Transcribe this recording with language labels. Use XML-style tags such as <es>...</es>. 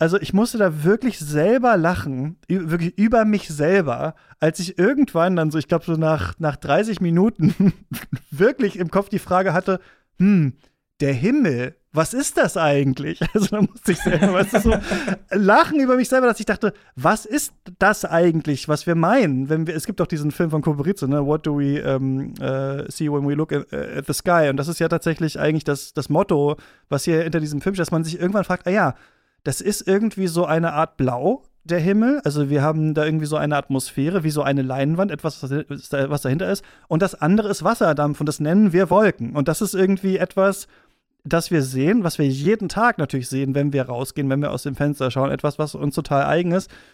<de>Also ich musste da wirklich selber lachen, wirklich über mich selber, als ich irgendwann dann so, ich glaube so nach 30 Minuten wirklich im Kopf die Frage hatte, der Himmel, was ist das eigentlich? Also da musste ich selber, weißt du, so lachen über mich selber, dass ich dachte, was ist das eigentlich, was wir meinen? Es gibt doch diesen Film von Kubrick, ne?</de> <en>What do we see when we look at the sky?</en> <de>Und das ist ja tatsächlich eigentlich das Motto, was hier hinter diesem Film steht, dass man sich irgendwann fragt, ah ja, das ist irgendwie so eine Art Blau, der Himmel. Also wir haben da irgendwie so eine Atmosphäre, wie so eine Leinwand, etwas, was dahinter ist. Und das andere ist Wasserdampf und das nennen wir Wolken. Und das ist irgendwie etwas, das wir sehen, was wir jeden Tag natürlich sehen, wenn wir rausgehen, wenn wir aus dem Fenster schauen, etwas, was uns total eigen ist.</de>